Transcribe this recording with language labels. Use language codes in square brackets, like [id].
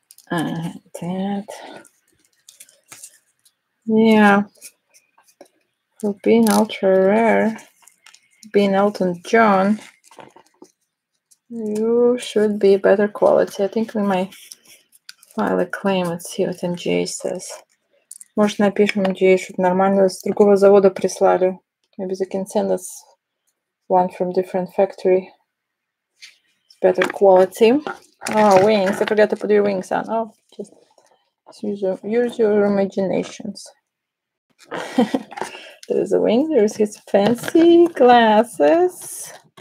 [en] That. Yeah. For being ultra rare, being Elton John, you should be better quality. I think we might file a claim. Let's see what MJ says. [ru] Может, напишем MJ, что-то нормально с другого завода прислали. [en] Maybe they can send us one from different factory. It's better quality. Oh, wings. I forgot to put your wings on. Oh, just use your imaginations. There's a wing. There's his fancy glasses.